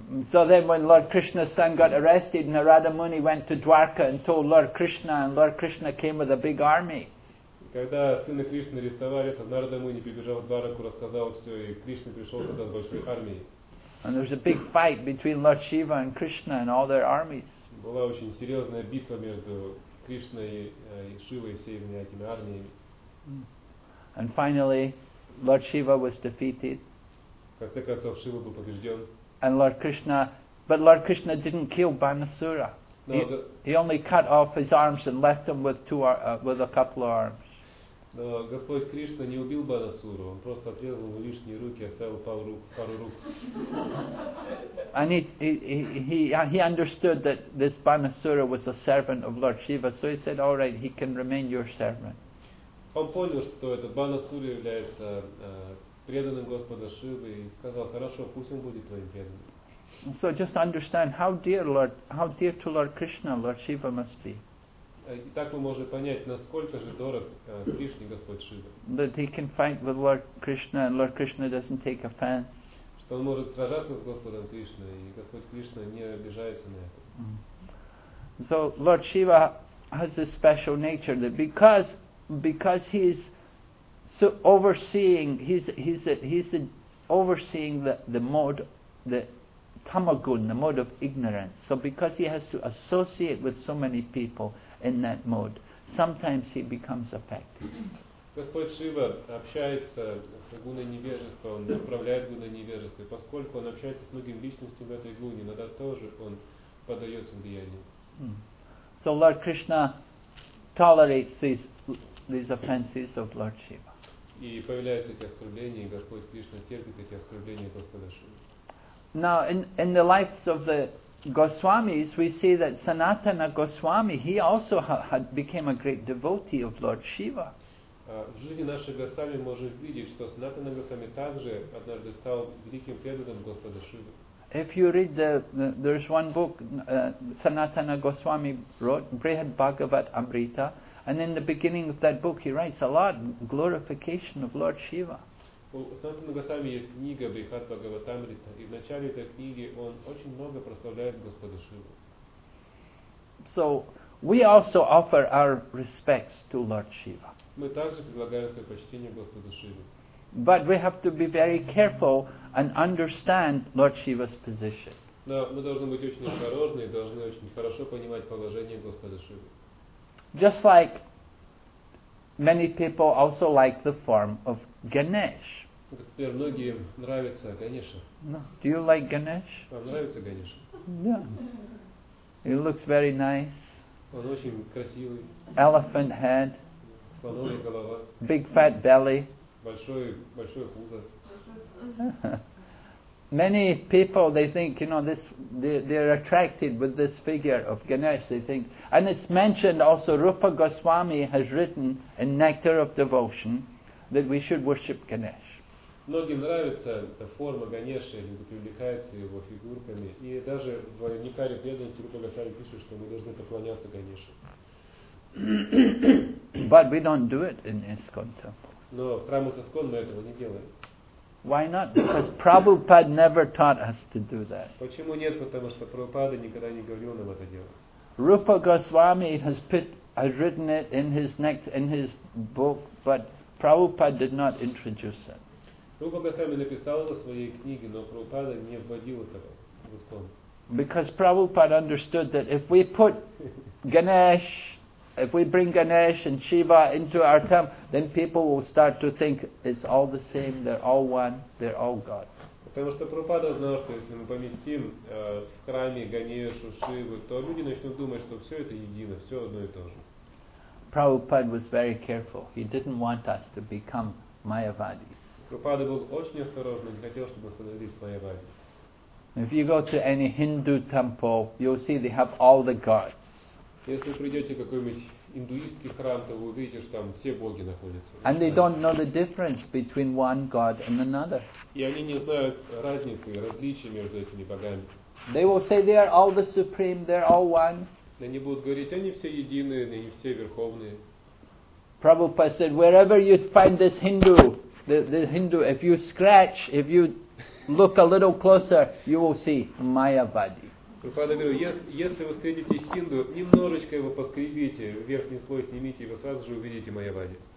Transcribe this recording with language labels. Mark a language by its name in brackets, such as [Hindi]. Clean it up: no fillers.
[English] So then when Lord Krishna's son got arrested, Narada Muni went to Dwarka and told Lord Krishna, and Lord Krishna came with a big army. [Russian] Когда сына Кришны арестовали, то Нарада Муни прибежал в Двараку, рассказал все, и Кришна пришел тогда с большой армией. [English] And there was a big fight between Lord Shiva and Krishna and all their armies. [Russian] Была очень серьезная битва между Кришной и Шивой и всеми этими армиями. [English] And finally, Lord Shiva was defeated. [Russian] В конце концов, Шива был побежден. [English] And Lord Krishna, but Lord Krishna didn't kill Bhanasura. He only cut off his arms and left him with with a couple of arms. [Russian] Но Господь Кришна не убил Бханасуру, он просто отрезал ему лишние руки, оставил пару рук. [English] And he understood that this Bhanasura was a servant of Lord Shiva, so he said, "All right, he can remain your servant." [Russian] Он понял, что этот Бханасура является преданным Господа Шивы, и сказал, "Хорошо, пусть он будет твоим преданным." [English] So just understand how dear to Lord Krishna Lord Shiva must be. [Russian] И так мы можем понять, насколько же дорог Кришне Господь Шива. [English] That he can fight with Lord Krishna and Lord Krishna doesn't take offense. [Russian] Что он может сражаться с Господом Кришной и Господь Кришна не обижается на это. Mm-hmm. [English] So Lord Shiva has a special nature that because he is so overseeing he's overseeing the mode that Tamagun, the mode of ignorance. So because he has to associate with so many people in that mode, sometimes he becomes affected. [Russian] Господь Шива общается с гуной невежества, он управляет гуной невежества. И поскольку он общается с многими личностями в этой гуне, иногда тоже он поддается влиянию. [English] So Lord Krishna tolerates these offenses of Lord Shiva. [Russian] И появляются эти оскорбления, и Господь Кришна терпит эти оскорбления Господа Шивы. [English] Now, in the lives of the Goswamis, we see that Sanatana Goswami, he also had became a great devotee of Lord Shiva. [Russian] В жизни наших Госвами можем видеть, что Санатана Госвами также однажды стал великим преданным Господа Шивы. [English] If you read there's one book Sanatana Goswami wrote, Brihad Bhagavat Amrita, and in the beginning of that book he writes a lot glorification of Lord Shiva. [Russian] У Санатана Госвами есть книга Брихад Бхагаватамрита, и в начале этой книги он очень много прославляет Господа Шиву. [English] So we also offer our respects to Lord Shiva. [Russian] Мы также предлагаем свое почтение Господу Шиве. [English] But we have to be very careful and understand Lord Shiva's position. [Russian] Но мы должны быть очень осторожны и должны очень хорошо понимать положение Господа Шивы. [English] Just like many people also like the form of Ganesh. [Russian] Теперь многим нравится Ганеша. [English] Do you like Ganesh? [Russian] Вам нравится Ганеша? [English] Yeah. He looks very nice. [Russian] Он очень красивый. [English] Elephant head. [Russian] Слоновая голова. [English] Big fat belly. [Russian] Большое пузо. [English] Many people, they think, you know, they're attracted with this figure of Ganesh, they think. And it's mentioned also, Rupa Goswami has written in Nectar of Devotion that we should worship Ganesh. [Russian] Многим нравится эта форма Ганеша, люди привлекаются его фигурками. И даже в Нектаре преданности Рупа Госвами пишет, что мы должны поклоняться Ганеше. [English] But we don't do it in ISKCON temple. [Russian] Но в храмах ISKCON мы этого не делаем. [English] Why not? Because Prabhupada never taught us to do that. [Russian] Почему нет? Потому что Прабхупада никогда не говорил нам это делать. [English] Rupa Goswami has written it in his book, but Prabhupada did not introduce it. [Russian] Rupa Goswami написал это в своей книге, но Прабхупада не вводил этого в ISKCON. [English] Because Prabhupada understood that if we put Ganesh, if we bring Ganesh and Shiva into our temple, then people will start to think it's all the same, they're all one, they're all God. [Russian] Потому что Прабхупада знал, что если мы поместим в храме Ганешу, Шиву, то люди начнут думать, что все это едино, все одно и то же. [English] Prabhupada was very careful. He didn't want us to become Mayavadis. [Russian] Прабхупада был очень осторожным, не хотел, чтобы мы становились Майявади. [English] If you go to any Hindu temple, you'll see they have all the gods. [Russian] Если вы придете в какой-нибудь индуистский храм, то вы увидите, что там все боги находятся. [English] And they don't know the difference between one god and another. [Russian] И они не знают разницы, различия между этими богами. [English] They will say they are all the supreme, they're all one. [Russian] Они будут говорить, они все единые, они все верховные. [English] Prabhupada said, wherever you find this Hindu, the Hindu, if you look a little closer, you will see Mayavadi. [Russian] Прабхупада говорил, если вы встретите Синду, немножечко его поскребите, верхний слой снимите, и вы сразу же увидите Майявади.